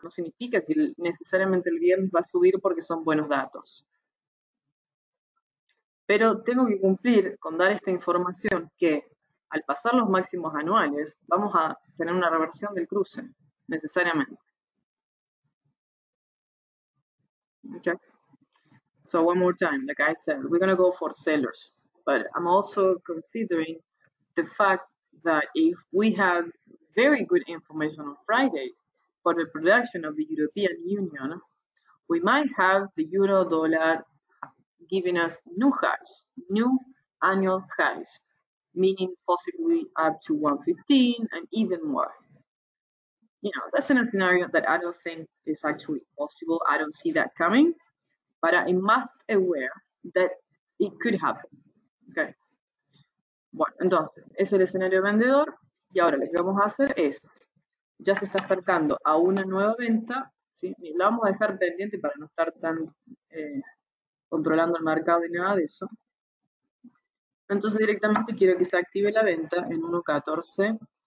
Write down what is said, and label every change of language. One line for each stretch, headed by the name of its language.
Spanish: No significa que necesariamente el viernes va a subir porque son buenos datos. Pero tengo que cumplir con dar esta información que al pasar los máximos anuales vamos a tener una reversión del cruce, necesariamente.
English: Okay. So one more time, like I said, we're gonna go for sellers, but I'm also considering the fact that if we have very good information on Friday for the production of the European Union, we might have the euro dollar giving us new highs, new annual highs, meaning possibly up to 115 and even more. You know, that's in a scenario that I don't think is actually possible. I don't see that coming, but I must aware that it could happen. Okay.
Spanish: Bueno, entonces, es el escenario vendedor y ahora lo que vamos a hacer es, ya se está acercando a una nueva venta, ¿sí? Y la vamos a dejar pendiente para no estar tan controlando el mercado y nada de eso. Entonces, directamente quiero que se active la venta en 1.14.